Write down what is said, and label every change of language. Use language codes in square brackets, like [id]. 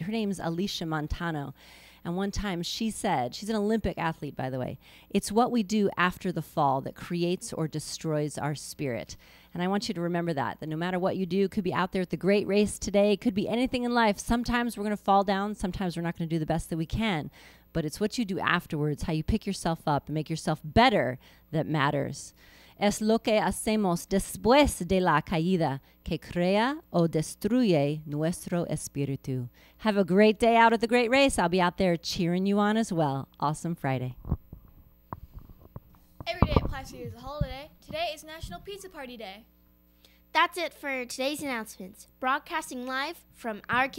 [en] Her name's Alicia Montano. And one time she said, she's an Olympic athlete, by the way, it's what we do after the fall that creates or destroys our spirit. And I want you to remember that, that no matter what you do, could be out there at the great race today, could be anything in life. Sometimes we're going to fall down. Sometimes we're not going to do the best that we can. But it's what you do afterwards, how you pick yourself up and make yourself better, that matters. [es] Es lo que hacemos después de la caída que crea o destruye nuestro espíritu. [en] Have a great day out at the great race. I'll be out there cheering you on as well. Awesome Friday. Every day at Plasterita is a holiday. Today is National Pizza Party Day. That's it for today's announcements. Broadcasting live from our KidFlix studio, I'm Emmy.